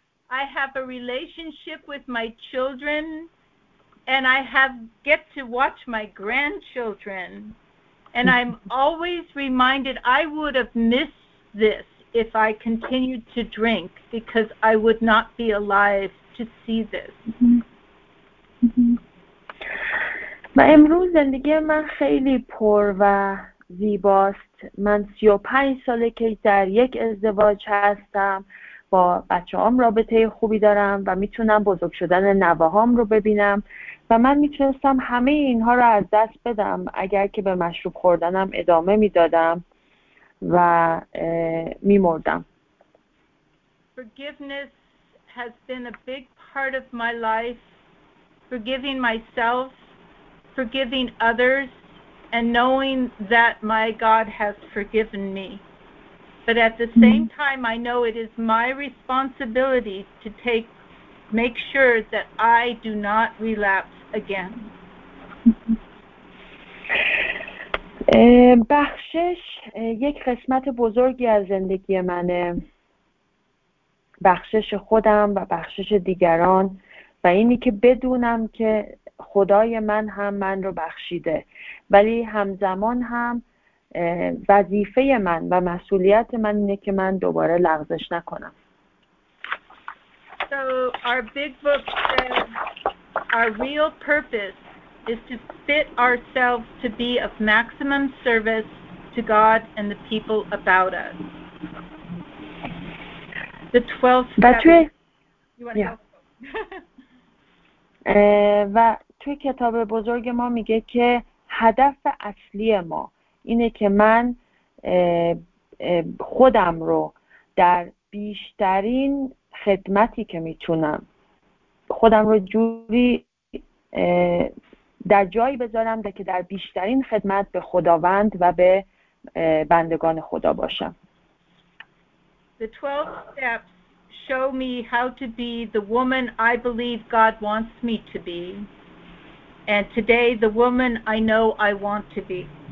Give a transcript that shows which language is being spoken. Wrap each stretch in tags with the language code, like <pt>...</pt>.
<en>I have a relationship with my children, and I have get to watch my grandchildren. And I'm always reminded I would have missed this if I continued to drink, because I would not be alive to see this.</en> <fa>و امروز زندگی من خیلی پر و زیباست. من 35 ساله که در یک ازدواج هستم، با بچه‌هام رابطه خوبی دارم و میتونم بزرگ شدن نوه‌هام رو ببینم و من میتونستم همه اینها رو از دست بدم اگر که به مشروب خوردنم ادامه میدادم و میمردم.</fa> <en>Forgiveness has been a big part of my life. Forgiving myself, forgiving others, and knowing that my God has forgiven me. But at the same time, I know it is my responsibility to make sure that I do not relapse again.</en> <fa>بخشش یک قسمت بزرگی از زندگی منه. بخشش خودم و بخشش دیگران و اینی که بدونم که خدای من هم من رو بخشیده، ولی همزمان هم وظیفه من و مسئولیت من اینه که من دوباره لغزش نکنم.</fa> <en>So our big book says our real purpose is to fit ourselves to be of maximum service to God and the people about us. The 12th chapter. You want to</en> <fa>توی کتاب بزرگ ما میگه که هدف اصلی ما اینه که من خودم رو در بیشترین خدمتی که میتونم خودم رو جوری در جایی بذارم ده که در بیشترین خدمت به خداوند و به بندگان خدا باشم.</fa> <en>The 12 steps show me how to be the woman I believe God wants me to be. And today, the woman I know I want to be.</en>